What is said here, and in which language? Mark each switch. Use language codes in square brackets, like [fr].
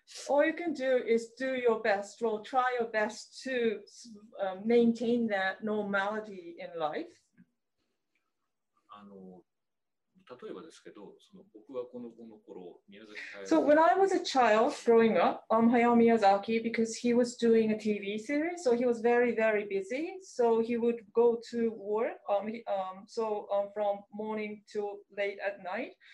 [en] All you can do is do your best or try your best to maintain that normality in life. [ja] 例えばですけど、その僕はこの頃、宮崎駿。 [en] So when I was a child growing up, Hayao Miyazaki, because he was doing a TV series, so he was very, very busy. So he would go to work from morning to late at night.